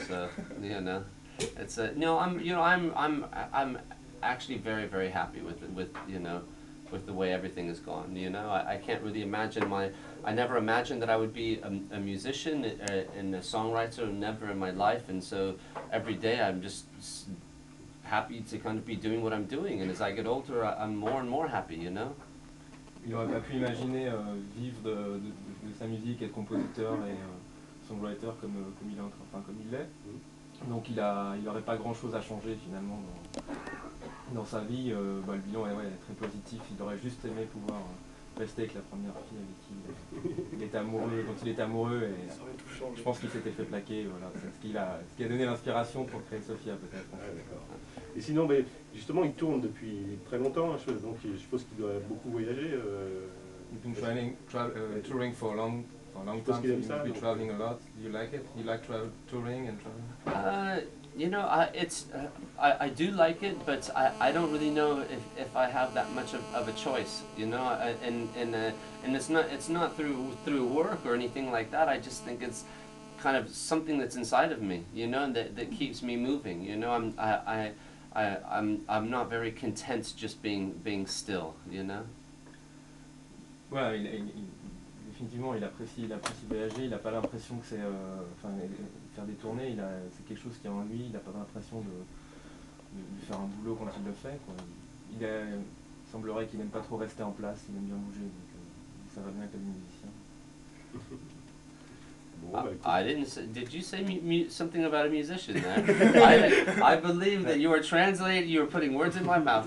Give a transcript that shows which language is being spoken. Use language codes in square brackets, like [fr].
[en] So you know, I'm actually very very happy with the way everything has gone. You know, I can't really imagine I never imagined that I would be a musician and a songwriter, never in my life. And so every day I'm just happy to kind of be doing what I'm doing. And as I get older, I'm more and more happy, you know? [fr] Il n'aurait pas pu imaginer vivre de sa musique, être compositeur et songwriter comme il l'est. Donc il n'aurait pas grand chose à changer finalement dans sa vie. Bah, le bilan est très positif. Il aurait juste aimé pouvoir rester avec la première fille avec qui il est amoureux, dont il est amoureux, et je pense qu'il s'était fait plaquer. Voilà, c'est ce qui a donné l'inspiration pour créer Sophia, peut-être. Ah, d'accord. Et sinon, mais justement, il tourne depuis très longtemps, donc je suppose qu'il doit beaucoup voyager. [en] He's been touring for a long time. I do like it, but I don't really know if I have that much of a choice, you know. And it's not through work or anything like that. I just think it's kind of something that's inside of me, you know, that keeps me moving. You know, I'm not very content just being still, you know. [fr] Ouais, définitivement, il apprécie voyager. Il a pas l'impression que c'est faire des tournées. Il a c'est quelque chose qui est en lui. Il a pas l'impression de faire un boulot quand il le fait. Quoi. Il semblerait qu'il aime pas trop rester en place. Il aime bien bouger. Donc, ça va bien avec les musiciens. [en] I didn't say, did you say something about a musician there? I believe that you were translating, you were putting words in my mouth.